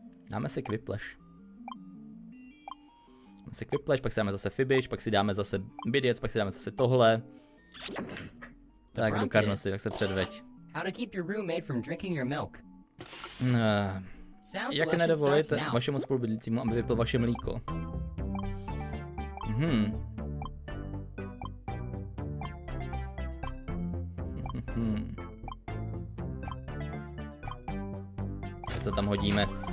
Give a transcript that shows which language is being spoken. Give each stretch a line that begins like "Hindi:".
Czech: Dáme si Quiplash. Dáme si Quiplash, pak si dáme zase Fibbage, pak si dáme zase Bidiots, pak si dáme zase tohle. Tak, Karno si, tak se předveď.
English: How to keep your roommate from drinking your milk.
Czech: Jak nedovolit vašemu spolubydlícímu, aby vypil vaše mlíko? To tam hodíme.